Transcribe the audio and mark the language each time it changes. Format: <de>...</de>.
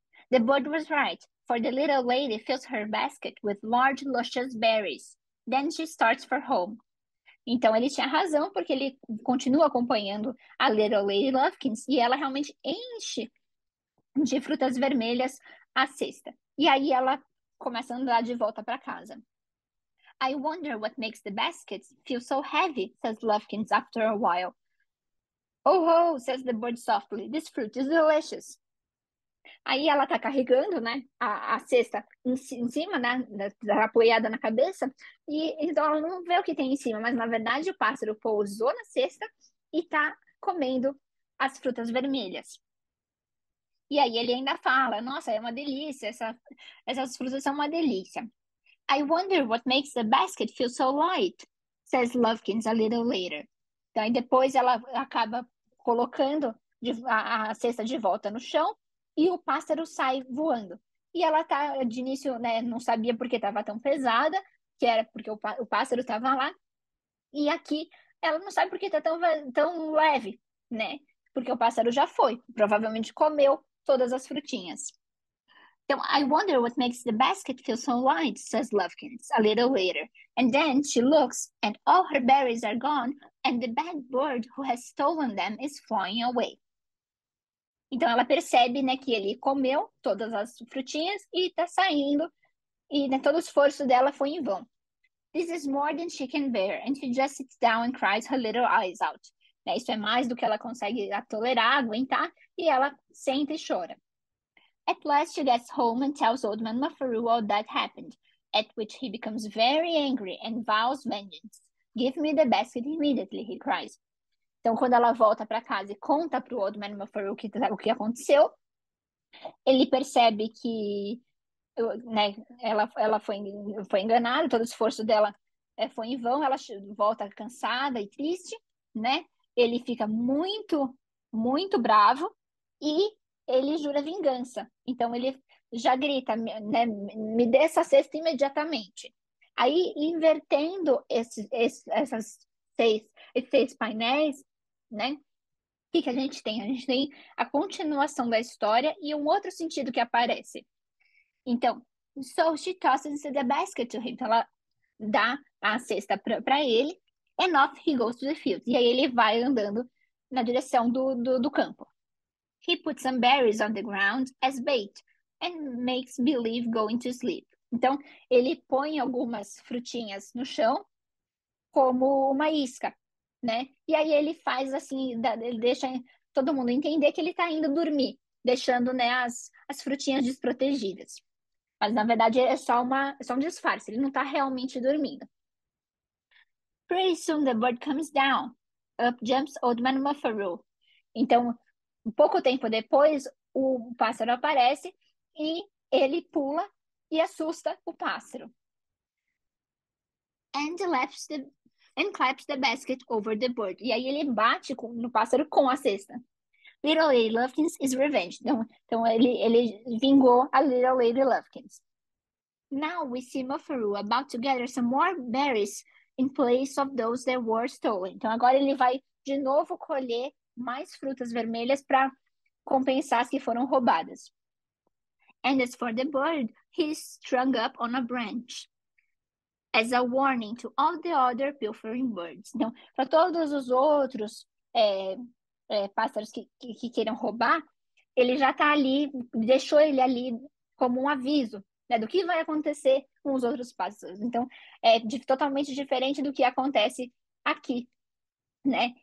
<en>The bird was right, for the little lady fills her basket with large, luscious berries. Then she starts for home.</en> <pt>Então ele tinha razão, porque ele continua acompanhando a Little Lady Lufkins e ela realmente enche de frutas vermelhas a cesta. E aí ela começa a andar de volta para casa.</pt> <en>I wonder what makes the baskets feel so heavy, says Lufkins after a while. Oh, says the bird softly, this fruit is delicious.</en> <pt>Aí ela tá carregando, né, a cesta em cima, né, apoiada na cabeça, e então ela não vê o que tem em cima, mas na verdade o pássaro pousou na cesta e tá comendo as frutas vermelhas. E aí ele ainda fala, nossa, é uma delícia, essas frutas são uma delícia.</pt> <en>I wonder what makes the basket feel so light, says Lufkins a little later.</en> <pt>Então, aí depois ela acaba colocando a cesta de volta no chão, e o pássaro sai voando. E ela tá, de início, né, não sabia por que estava tão pesada, que era porque o pássaro estava lá. E aqui ela não sabe por que tá tão leve, né? Porque o pássaro já foi, provavelmente comeu todas as frutinhas.</pt> <en>Então, I wonder what makes the basket feel so light, says Lufkins, a little later. And then she looks, and all her berries are gone, and the bad bird who has stolen them is flying away.</en> <pt>Então ela percebe, né, que ele comeu todas as frutinhas e está saindo, e, né, todo o esforço dela foi em vão.</pt> <en>This is more than she can bear, and she just sits down and cries her little eyes out.</en> <pt>Né, isso é mais do que ela consegue tolerar, aguentar, e ela senta e chora.</pt> <en>At last she gets home and tells Old Man Mufferoo all that happened, at which he becomes very angry and vows vengeance. Give me the basket immediately, he cries.</en> <pt>Então, quando ela volta para casa e conta para o Old Man Mufferoo o que aconteceu, ele percebe que, né, ela foi enganada, todo o esforço dela foi em vão, ela volta cansada e triste, né? Ele fica muito, muito bravo e ele jura vingança. Então, ele já grita, né, me dê essa cesta imediatamente. Aí, invertendo esses seis painéis, né? O que que a gente tem? A gente tem a continuação da história e um outro sentido que aparece.</pt> <en>Então, so she tosses the basket to him.</en> <pt>Então, ela dá a cesta para ele,</pt> <en>and off he goes to the field.</en> <pt>E aí ele vai andando na direção do campo.</pt> <en>He puts some berries on the ground as bait and makes believe going to sleep.</en> <pt>Então, ele põe algumas frutinhas no chão como uma isca, né? E aí ele faz assim, ele deixa todo mundo entender que ele está indo dormir, deixando, né, as frutinhas desprotegidas. Mas na verdade é só um disfarce, ele não está realmente dormindo.</pt> <en>Pretty soon the bird comes down, up jumps Old Man Mufferoo.</en> <pt>Então, um pouco tempo depois, o pássaro aparece e ele pula e assusta o pássaro.</pt> <en>And laughs the And claps the basket over the bird.</en> <pt>E aí ele bate no pássaro com a cesta.</pt> <en>Little Lady Lufkins is revenged.</en> <pt>Então, ele vingou a Little Lady Lufkins.</pt> <en>Now we see Mofuru about to gather some more berries in place of those that were stolen.</en> <pt>Então agora ele vai de novo colher mais frutas vermelhas para compensar as que foram roubadas.</pt> <en>And as for the bird, he strung up on a branch as a warning to all the other pilfering birds.</en> <pt>Então, para todos os outros pássaros que queiram roubar, ele já está ali, deixou ele ali como um aviso, né, do que vai acontecer com os outros pássaros. Então, é totalmente diferente do que acontece aqui, né?</pt>